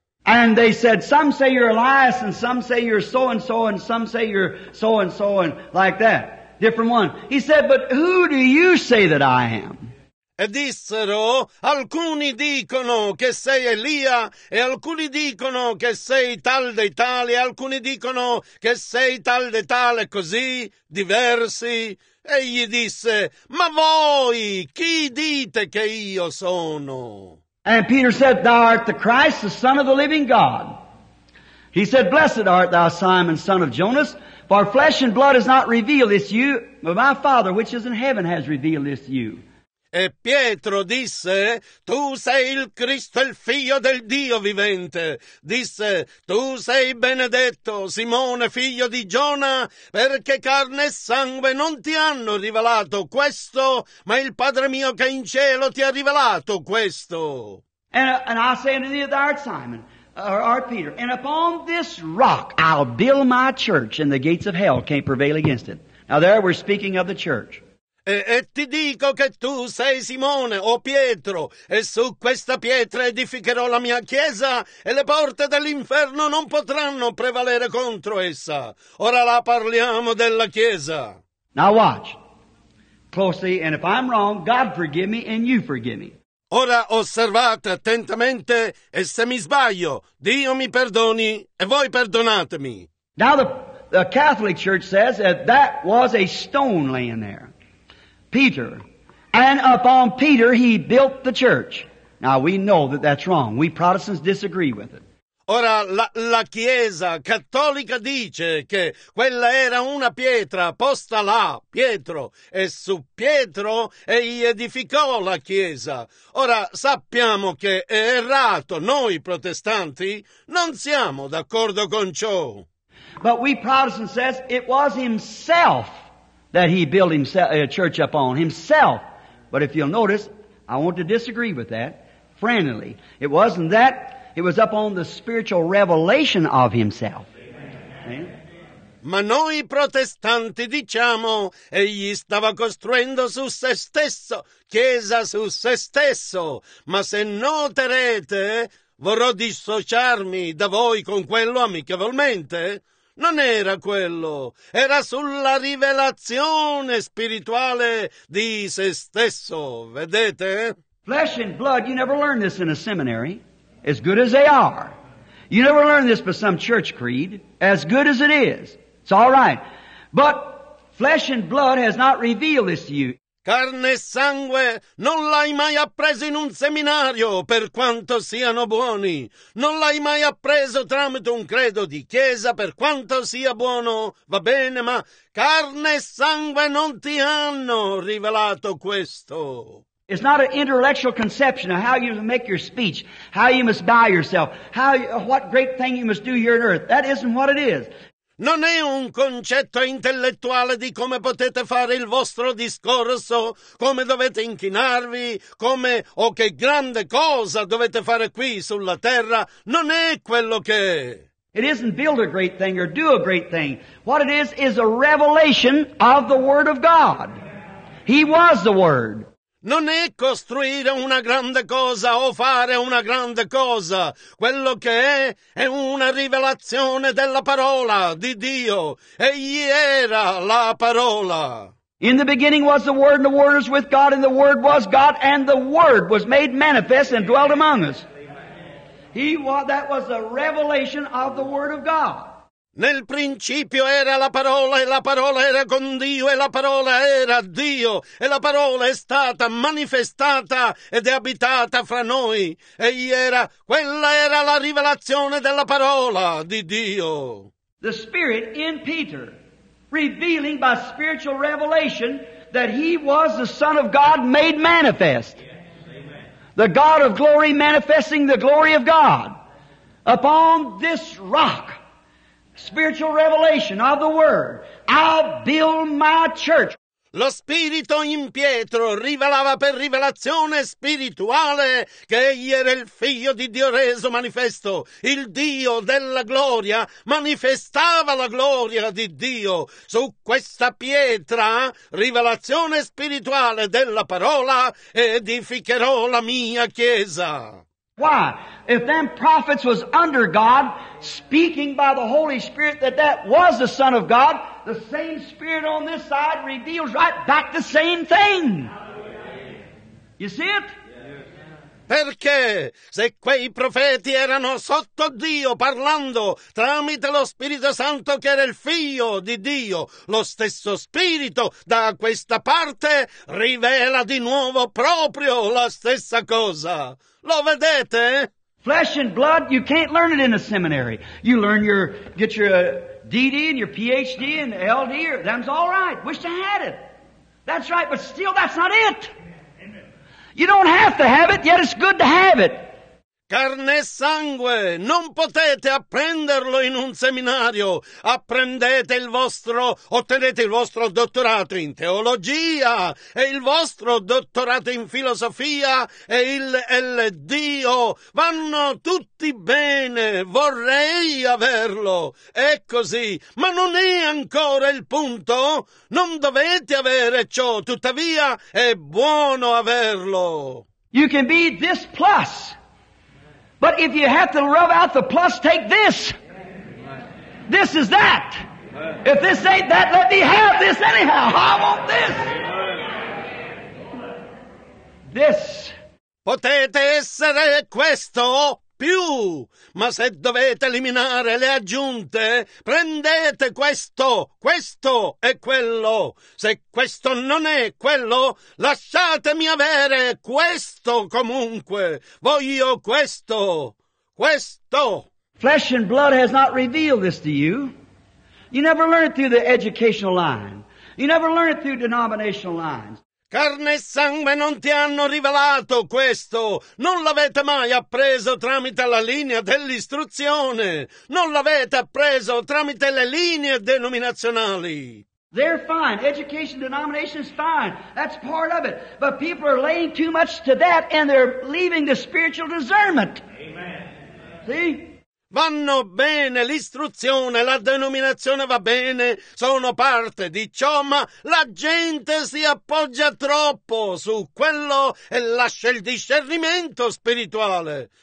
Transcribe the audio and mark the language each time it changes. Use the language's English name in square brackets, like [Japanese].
[English] And they said, some say you're Elias, and some say you're so-and-so, and some say you're so-and-so, and like that, different one. He said, but who do you say that I am? [Italian] E dissero, alcuni dicono che sei Elia, e alcuni dicono che sei tal dei tali, e alcuni dicono che sei tal dei tale, così, diversi. Egli disse, ma voi chi dite che io sono? [English] And Peter said, thou art the Christ, the Son of the living God. He said, blessed art thou, Simon, son of Jonas, for flesh and blood has not revealed this to you, but my Father which is in heaven has revealed this to you. [Italian] E Pietro disse, tu sei il Cristo, il figlio del Dio vivente. Disse, tu sei benedetto, Simone, figlio di Giona, perché carne e sangue non ti hanno rivelato questo, ma il Padre mio che è in cielo ti ha rivelato questo. [English] And I say unto thee, thou art Simon, or art Peter, and upon this rock I'll build my church, and the gates of hell can't prevail against it. Now there we're speaking of the church. [Italian] E ti dico che tu sei Simone o Pietro, e su questa pietra edificherò la mia chiesa, e le porte dell'inferno non potranno prevalere contro essa. Ora la parliamo della chiesa. [English] Now watch closely, and if I'm wrong, God forgive me and you forgive me. [Italian] Ora osservate attentamente, e se mi sbaglio, Dio mi perdoni e voi perdonatemi. [English] Now the Catholic Church says that that was a stone laying there. Peter, and upon Peter he built the church. Now we know that that's wrong. We Protestants disagree with it. [Italian] Ora la Chiesa cattolica dice che quella era una pietra posta là, Pietro, e su Pietro egli edificò la Chiesa. Ora sappiamo che è errato. Noi protestanti non siamo d'accordo con ciò. [English] But we Protestants says it was himself that he built himself a church upon himself. But if you'll notice, I want to disagree with that friendly. It wasn't that. It was upon the spiritual revelation of himself. Amen. [Italian] Ma noi protestanti diciamo egli stava costruendo su se stesso, chiesa su se stesso. Ma se noterete, vorrò dissociarmi da voi con quello amichevolmente. Non era quello, era sulla rivelazione spirituale di se stesso, vedete? [English] Flesh and blood, you never learn this in a seminary, as good as they are. You never learn this by some church creed, as good as it is. It's all right. But flesh and blood has not revealed this to you. [Italian] Carne e sangue non l'hai mai appreso in un seminario, per quanto siano buoni. Non l'hai mai appreso tramite un credo di chiesa, per quanto sia buono, va bene, ma carne e sangue non ti hanno rivelato questo. [English] It's not an intellectual conception of how you make your speech, how you must bow yourself, what great thing you must do here on earth. That isn't what it is. [Italian] Non è un concetto intellettuale di come potete fare il vostro discorso, come dovete inchinarvi, come o che grande cosa dovete fare qui sulla terra. Non è quello che è. [English] It isn't build a great thing or do a great thing. What it is a revelation of the Word of God. He was the Word. [Italian] Non è costruire una grande cosa o fare una grande cosa. Quello che è una rivelazione della parola di Dio. Egli era la parola. [English] In the beginning was the Word, and the Word was with God, and the Word was God, and the Word was made manifest and dwelt among us. That was a revelation of the Word of God. [Italian] Nel principio era la parola, e la parola era con Dio, e la parola era Dio, e la parola è stata manifestata ed è abitata fra noi. Quella era la rivelazione della parola di Dio. [English] The Spirit in Peter, revealing by spiritual revelation that he was the Son of God made manifest. Yes. Amen. The God of glory manifesting the glory of God upon this rock. Spiritual revelation of the Word. I'll build my church. [Italian] Lo Spirito in Pietro rivelava per rivelazione spirituale che egli era il Figlio di Dio reso manifesto, il Dio della gloria, manifestava la gloria di Dio. Su questa pietra, rivelazione spirituale della parola, edificherò la mia chiesa. [English] Why? If them prophets was under God, speaking by the Holy Spirit that was the Son of God, the same Spirit on this side reveals right back the same thing. You see it? [Italian] Perché se quei profeti erano sotto Dio parlando tramite lo Spirito Santo che era il Figlio di Dio, lo stesso Spirito da questa parte rivela di nuovo proprio la stessa cosa. Lo vedete? [English] Flesh and blood, you can't learn it in a seminary. You learn your, get your DD and your PhD and LD, them's all right. Wish I had it. That's right, but still that's not it. You don't have to have it, yet it's good to have it. [Italian] Carne e sangue, non potete apprenderlo in un seminario. Apprendete il vostro, ottenete il vostro dottorato in teologia e il vostro dottorato in filosofia e il LDO. Vanno tutti bene, vorrei averlo. È così, ma non è ancora il punto. Non dovete avere ciò, tuttavia è buono averlo. [English] You can be this plus. But if you have to rub out the plus, take this. This is that. If this ain't that, let me have this anyhow. I want this. This. [Italian] Potete essere questo più. Ma se dovete eliminare le aggiunte, prendete questo, questo e quello. Se questo non è quello, lasciatemi avere questo comunque. Voglio questo, questo. [English] Flesh and blood has not revealed this to you. You never learn it through the educational line. You never learn it through denominational lines. [Italian] Carne e sangue non ti hanno rivelato questo. Non l'avete mai appreso tramite la linea dell'istruzione. Non l'avete appreso tramite le linee denominazionali. [English] They're fine. Education denomination is fine. That's part of it. But people are laying too much to that and they're leaving the spiritual discernment. Amen. See? [Italian] Vanno bene, l'istruzione, la denominazione va bene, sono parte di ciò, ma la gente si appoggia troppo su quello e lascia il discernimento spirituale.